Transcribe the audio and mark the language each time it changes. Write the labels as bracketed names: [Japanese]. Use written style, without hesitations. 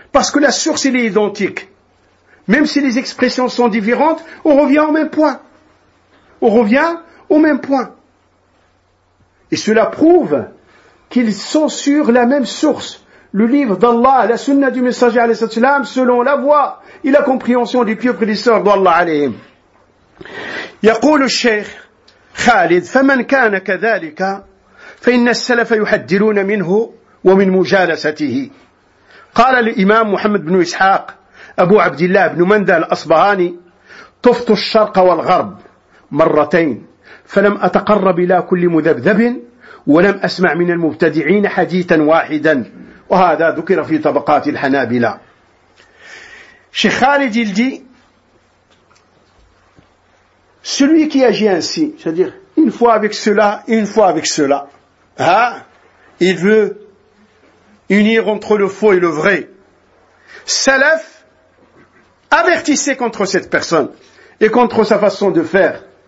[French] Parce que la source, elle est identique. Même si les expressions sont différentes, on revient au même point. On revient au même point. Et cela prouve qu'ils sont sur la même source. Le livre d'Allah, la sunna du messager, alayhi salam, selon la voix et la compréhension des pieux prédécesseurs d'Allah, alayhim. [Arabic] يقول الشيخ خالد فمن كان كذلك فإن السلف يحذرون منه ومن مجالسته. قال الإمام محمد بن إسحاق أبو عبد الله بن مندل الأصبهاني طفت الشرق والغرب مرتين فلم أتقرب إلى كل مذبذب ولم أسمع من المبتدعين حديثا واحدا وهذا ذكر في طبقات الحنابلة. [French] شيخ خالد الجي celui qui agit ainsi, c'est-à-dire une fois avec cela, une fois avec cela, hein, il veut unir entre le faux et le vrai. Salaf, avertissez contre cette personne et contre sa façon de faire.